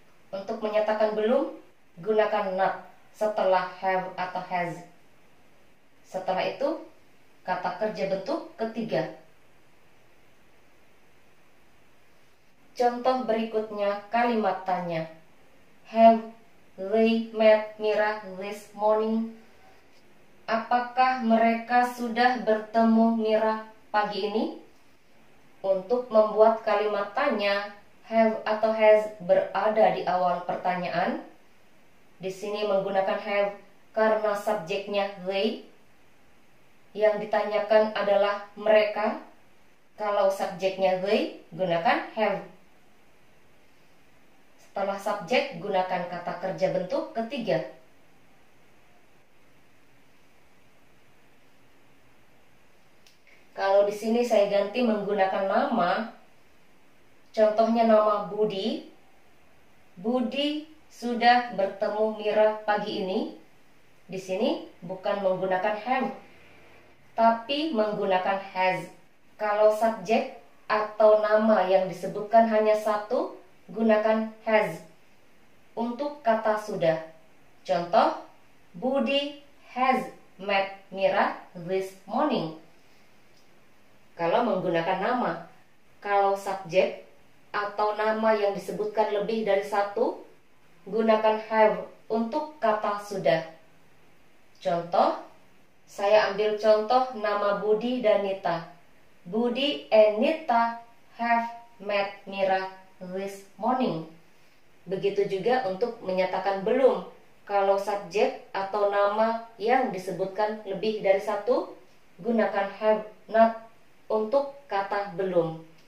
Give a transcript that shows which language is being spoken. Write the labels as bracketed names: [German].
[Indonesian] Untuk menyatakan belum, gunakan not setelah have atau has. Setelah itu, kata kerja bentuk ketiga. Contoh berikutnya, kalimat tanya. [English] Have they met Mira this morning? [Indonesian] Apakah mereka sudah bertemu Mira pagi ini? Untuk membuat kalimat tanya, have atau has berada di awal pertanyaan. Di sini menggunakan have karena subjeknya they. Yang ditanyakan adalah mereka. Kalau subjeknya they, gunakan have. Setelah subjek, gunakan kata kerja bentuk ketiga. Kalau di sini saya ganti menggunakan nama. Contohnya nama Budi. Budi sudah bertemu Mira pagi ini. Di sini bukan menggunakan have, tapi menggunakan has. Kalau subjek atau nama yang disebutkan hanya satu, gunakan has untuk kata sudah. [English] Contoh, Budi has met Mira this morning. [Indonesian] Kalau menggunakan nama, kalau subjek atau nama yang disebutkan lebih dari satu, gunakan have untuk kata sudah. Contoh, saya ambil contoh nama Budi dan Nita. [English] Budi and Nita have met Mira this morning. [Indonesian] Begitu juga untuk menyatakan belum. Kalau subjek atau nama yang disebutkan lebih dari satu, gunakan have not untuk kata belum.